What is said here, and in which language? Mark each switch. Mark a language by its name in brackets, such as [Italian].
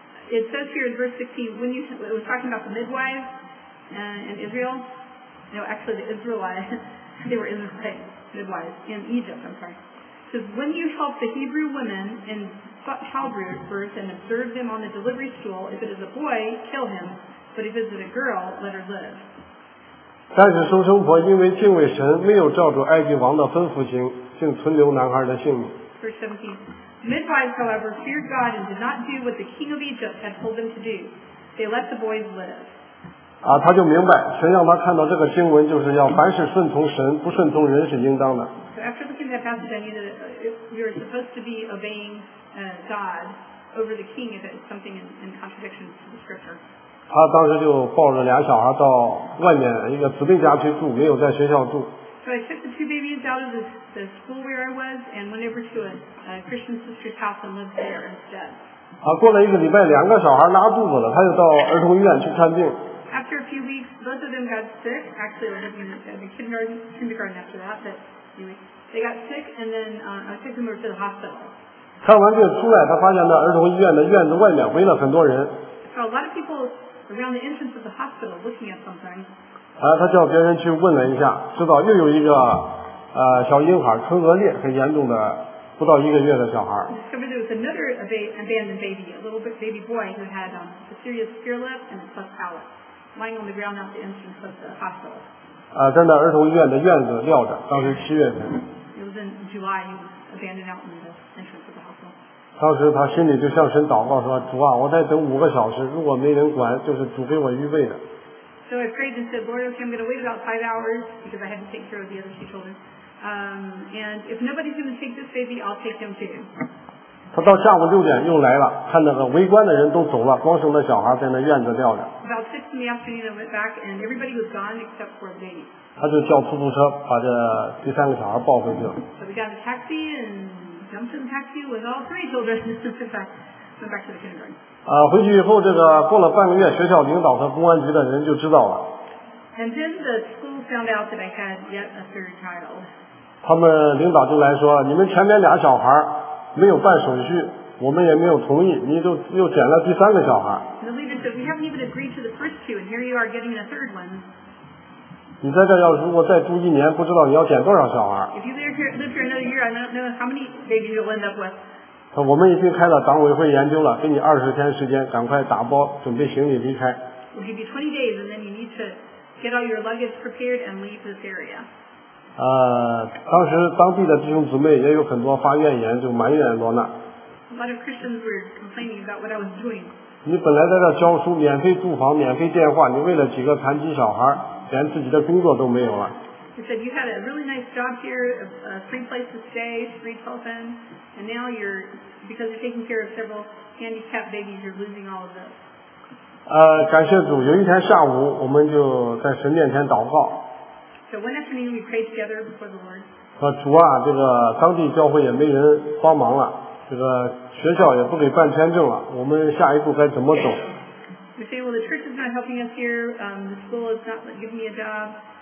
[English] It says here in verse 16, when it was talking about the midwives in Israel, no, actually the Israelites, they were Israelite midwives in Egypt, I'm sorry. It says, when you help the Hebrew women in childbirth and observe them on the delivery stool, if it is a boy, kill him, but if it is a girl, let her live. [Chinese] 但是收生婆因为敬畏神，没有照着埃及王的吩咐行，竟存留男孩的性命。 [English] Verse 17. Midwives, however, feared God and did not do what the king of Egypt had told them to do. They let the boys live. [Chinese] 他就明白，神让他看到这个经文，就是要凡事顺从神，不顺从人是应当的。 [English] So after looking at that passage, I knew that we are supposed to be obeying God over the king if it's something in contradiction to the scripture. [Chinese] 他当时就抱着俩小孩到外面一个姊妹家去住，没有在学校住。 [English] So I took the two babies out of the school where I was and went over to a Christian sister's house and lived there instead. [Chinese] 过了一个礼拜，两个小孩拉肚子了，他就到儿童医院去看病。 [English] After a few weeks, both of them got sick. Actually, we're living in the kindergarten after that, but anyway, they got sick and then I took them over to the hospital. [Chinese] 看完病出来，他发现那儿童医院的院子外面围了很多人。 [English] So a lot of people around the entrance of the hospital looking at something. [Chinese] 他叫别人去问了一下，知道又有一个小婴孩唇腭裂，很严重的，不到一个月的小孩。 [English] Discovered there was another abandoned baby, a little baby boy who had a serious scare lip and a cleft palate, lying on the ground at the entrance of the hospital. [Chinese] 在那儿童医院的院子撂着，当时七月份。 [English] It was in July. He was abandoned out in the entrance of the hospital. [Chinese] 当时他心里就向神祷告说：“主啊，我再等五个小时，如果没人管，就是主给我预备的。” [English] So I prayed and said, Lord, okay, I'm going to wait about 5 hours because I had to take care of the other two children. And if nobody's going to take this baby, I'll take him too. [Chinese] 他到下午六点又来了，看那个围观的人都走了，光剩那小孩在那院子撂着。 [English] About 6 in the afternoon, I went back and everybody was gone except for the baby. [Chinese] 他就叫出租车把这第三个小孩抱回去了。 [English] So we got a taxi and jumped in the taxi with all three children and went back to the kindergarten. [Chinese] 回去以后，这个过了半个月，学校领导和公安局的人就知道了。 [English] And then the school found out that I had yet a third child. [Chinese] 他们领导就来说，你们前面俩小孩没有办手续，我们也没有同意，你就又捡了第三个小孩。 [English] The leader said, we haven't even agreed to the first two, and here you are getting a third one. [Chinese] 你在这要如果再住一年，不知道你要捡多少小孩。 [English] If you live here another year, I don't know how many babies you'll end up with. [Chinese] 我们已经开了党委会研究了，给你20天时间，赶快打包准备行李离开。 [English] We'll give you 20 days, and then you need to get all your luggage prepared and leave this area. [Chinese] 当时当地的弟兄姊妹也有很多发怨言，就埋怨罗娜。 [English] A lot of Christians were complaining about what I was doing. [Chinese] 你本来在这教书，免费住房，免费电话，你为了几个残疾小孩，连自己的工作都没有了。 [English] He said, you had a really nice job here, a free place to stay, free telephone, and now you're, because you're taking care of several handicapped babies, you're losing all of this. [Chinese] 感谢主，有一天下午我们就在神面前祷告。 [English] So one afternoon we prayed together before the Lord. [Chinese] 主啊，这个当地教会也没人帮忙了，这个学校也不给办签证了，我们下一步该怎么走？ [English] We say, well, the church is not helping us here, the school is not giving me a job.